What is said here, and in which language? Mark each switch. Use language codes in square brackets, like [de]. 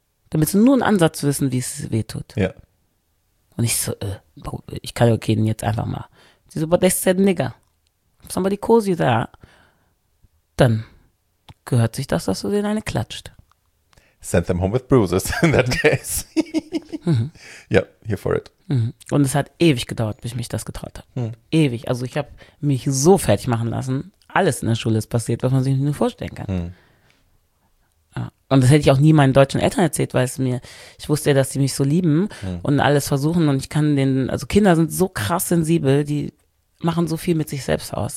[de] Damit sie nur einen Ansatz wissen, wie es wehtut. Ja. Und ich so, ich kann okay, jetzt einfach mal. Sie so, [en] but they said nigger. If somebody calls you that, [de] dann gehört sich das, dass du denen eine klatscht. [en] Send them home with bruises in that case. Ja, here for it. [de] Und es hat ewig gedauert, bis ich mich das getraut habe. Ewig. Also ich habe mich so fertig machen lassen. Alles in der Schule ist passiert, was man sich nicht nur vorstellen kann. Und das hätte ich auch nie meinen deutschen Eltern erzählt, weil es mir, ich wusste ja, dass sie mich so lieben und alles versuchen und ich kann den, also Kinder sind so krass sensibel, die machen so viel mit sich selbst aus.